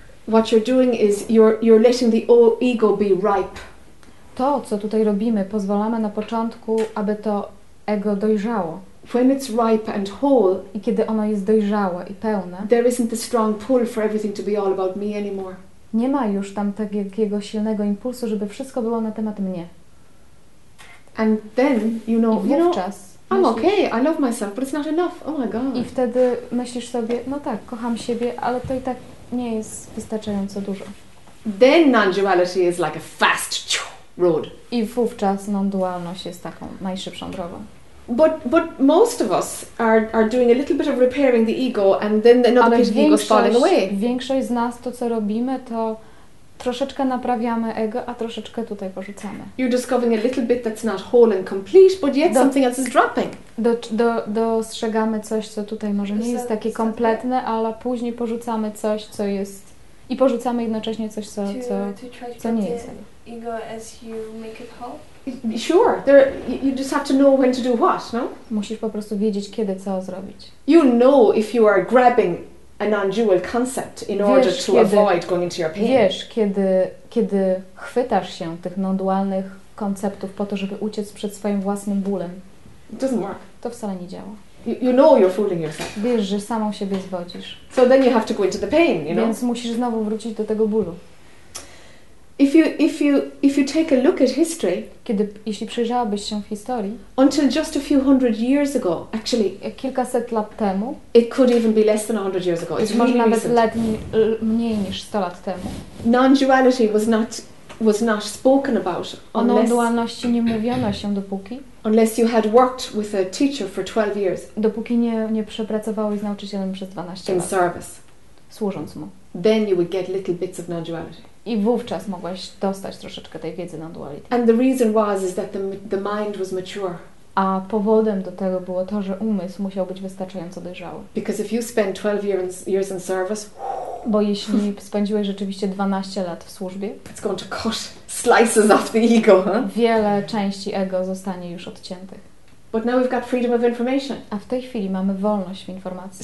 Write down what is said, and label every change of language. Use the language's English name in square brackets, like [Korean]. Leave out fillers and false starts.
[English] What you're doing is you're letting the old ego be ripe. [Polish] To, co tutaj robimy, pozwalamy na początku, aby to ego dojrzało. [English] When it's ripe and whole, [Polish] i kiedy ono jest dojrzałe i pełne, [English] there isn't the strong pull for everything to be all about me anymore. [Polish] Nie ma już tam takiego silnego impulsu, żeby wszystko było na temat mnie. [English] And then you know, [Polish] I wówczas. [English] I'm okay, I love myself, but it's not enough. Oh my god. [Polish] I wtedy myślisz sobie, no tak, kocham siebie, ale to i tak nie jest wystarczająco dużo. [English] Then non-duality is like a fast road. [Polish] I wówczas non-dualność jest taką najszybszą drogą. [English] But most of us are doing a little bit of repairing the ego and then another piece of ego is falling away. [Polish] Większość z nas to, co robimy, to troszeczkę naprawiamy ego, a troszeczkę tutaj porzucamy. [English] You're discovering a little bit that's not whole and complete, but yet something else is dropping. [Polish] Dostrzegamy coś, co tutaj może nie jest takie kompletne, ale później porzucamy coś, co jest... I porzucamy jednocześnie coś, co nie jest. [English] Ego as you make it whole? Sure. There, you just have to know when to do what, no? [Polish] Musisz po prostu wiedzieć, kiedy co zrobić. [English] You know if you are grabbing a non-dual concept in order to avoid going into your pain. [Polish] Wiesz, kiedy chwytasz się tych non-dualnych konceptów po to, żeby uciec przed swoim własnym bólem. [English] It doesn't work. [Polish] To wcale nie działa. [English] You know you're fooling yourself. [Polish] Wiesz, że samą siebie zwodzisz. [English] So then you have to go into the pain, you know? [Polish] Więc musisz znowu wrócić do tego bólu. [English] If you take a look at history, [Polish] kiedy jeśli przyjrzałabyś się w historii, [English] until just a few hundred years ago, actually, [Polish] kilkaset lat temu, [English] it could even be less than 100 years ago. It's [Polish] może [English] really [Polish] nawet mniej niż 100 lat temu. [English] Non-duality was not spoken about unless. [Polish] O dualności nie mówiono się dopóki. [English] Unless you had worked with a teacher for 12 years. [Polish] Dopóki nie przepracowałeś z nauczycielem przez 12 lat. [English] In service. [Polish] Służąc mu. [English] Then you would get little bits of non-duality. [Polish] I wówczas mogłaś dostać troszeczkę tej wiedzy na duality. [English] And the reason was is that the mind was mature. [Polish] A powodem do tego było to, że umysł musiał być wystarczająco dojrzały. [English] Because if you spend 12 years in service, [Polish] bo jeśli spędziłeś rzeczywiście 12 lat w służbie, [English] it's going to cut slices off the ego, huh? [Polish] Wiele części ego zostanie już odciętych. [English] But now we've got freedom of information. [Polish] A w tej chwili mamy wolność w informacji.